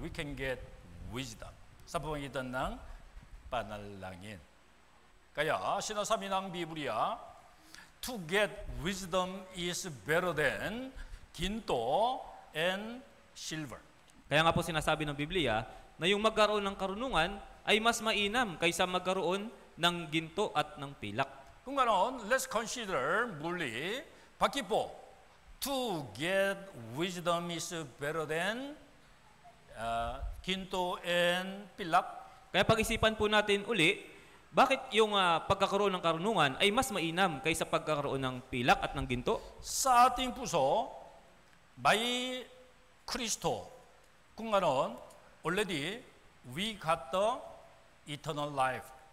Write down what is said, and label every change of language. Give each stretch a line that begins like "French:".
English: We can get wisdom
Filipino: sa pamamagitan ng panalangin. Kaya sinasabi ng Biblia,
English: to get wisdom is better than ginto and silver.
Filipino: Kaya nga po sinasabi ng Biblia na yung magkaroon ng karunungan ay mas mainam kaysa magkaroon ng ginto at ng pilak. Kung ganoon,
English: let's consider
Filipino: muli, pakipo,
English: to get wisdom is better than ginto and pilak.
Filipino: Kaya pag-isipan po natin uli, bakit yung pagkakaroon ng karunungan ay mas mainam kaysa pagkakaroon ng pilak at ng ginto? Sa ating puso,
English: by Kristo,
Filipino: kung ganon,
English: already we got the eternal life.